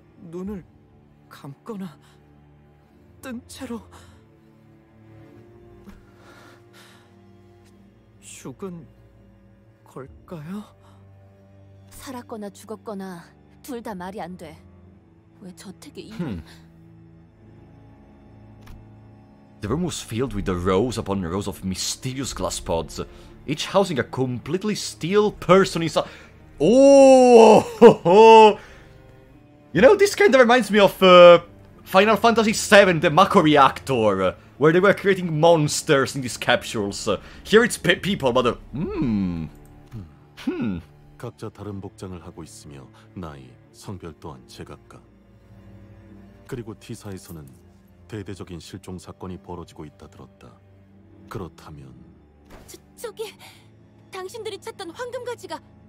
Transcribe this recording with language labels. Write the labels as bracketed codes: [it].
[ko] 눈을 감거나 뜬 채로 죽은 걸까요? 살았거나 죽었거나 둘 다 말이 안 돼. 왜 저택에 이 [en] The room was filled with the rows upon rows of mysterious glass pods, each housing a completely steel person inside. You know, this kind of reminds me of Final Fantasy VII, the Mako Reactor, where they were creating monsters in these capsules. Here it's people, but... [ko] ...각자 다른 복장을 하고 있으며, 나이, 성별 또한 제각각. 그리고 T사에서는 대대적인 실종 사건이 벌어지고 있다 들었다. 그렇다면... 저기... 당신들이 찾던 황금 가지가...